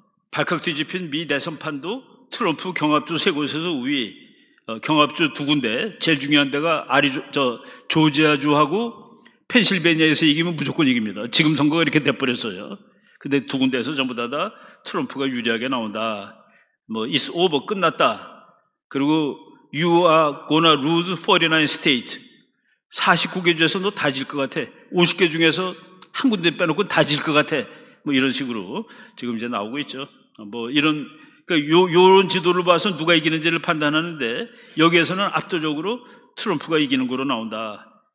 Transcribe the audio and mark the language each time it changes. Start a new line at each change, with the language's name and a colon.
Korean: 발칵 뒤집힌 미 대선판도 트럼프 경합주 세 곳에서 우위. 경합주 두 군데, 제일 중요한 데가 조지아주하고 펜실베니아에서 이기면 무조건 이깁니다. 지금 선거가 이렇게 돼버렸어요. 근데 두 군데에서 전부 다 트럼프가 유리하게 나온다. 뭐,
English: it's over,
Korean: 끝났다. 그리고
English: you are gonna lose 49 states.
Korean: 49개 중에서 너 다 질 것 같아. 50개 중에서 한 군데 빼놓고 다 질 것 같아. 뭐 이런 식으로 지금 이제 나오고 있죠. 뭐 이런, 요런 지도를 봐서 누가 이기는지를 판단하는데 여기에서는 압도적으로 트럼프가 이기는 거로 나온다.